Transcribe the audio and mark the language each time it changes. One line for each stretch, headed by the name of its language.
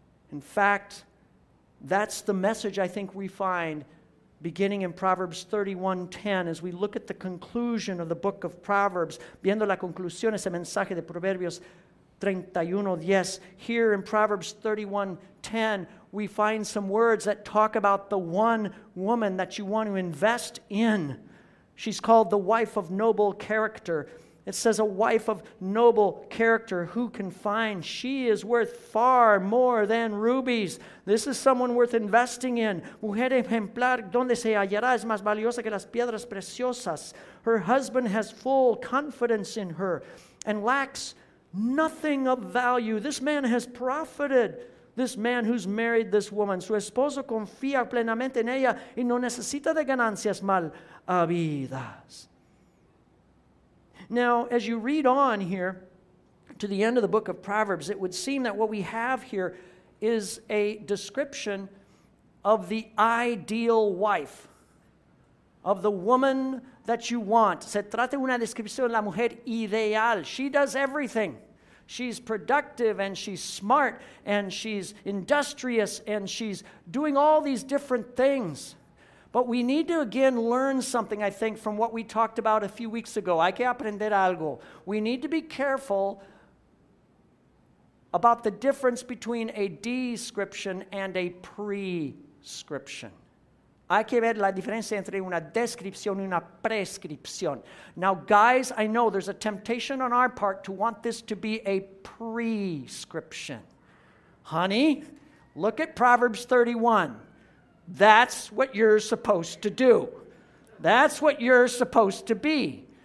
English: In fact, that's the message I think we find beginning in Proverbs 31:10, as we look at the conclusion of the book of Proverbs,
Spanish: viendo la conclusión, ese mensaje de Proverbios 31:10.
English: Here in Proverbs 31:10, we find some words that talk about the one woman that you want to invest in. She's called the wife of noble character. It says a wife of noble character, who can find? She is worth far more than rubies. This is someone worth investing in.
Spanish: Mujer ejemplar, donde se hallará, es más valiosa que las piedras preciosas.
English: Her husband has full confidence in her and lacks nothing of value. This man has profited, this man who's married this woman.
Spanish: Su esposo confía plenamente en ella y no necesita de ganancias mal habidas.
English: Now, as you read on here to the end of the book of Proverbs, it would seem that what we have here is a description of the ideal wife, of the woman that you want.
Spanish: Se trata de una descripción de la mujer ideal.
English: She does everything. She's productive and she's smart and she's industrious and she's doing all these different things. But we need to again learn something, I think, from what we talked about a few weeks ago.
Spanish: Hay que aprender algo.
English: We need to be careful about the difference between a description and a prescription.
Spanish: Hay que ver la diferencia entre una descripción y una prescripción.
English: Now, guys, I know there's a temptation on our part to want this to be a prescription. Honey, look at Proverbs 31. That's what you're supposed to do. That's what you're supposed to be.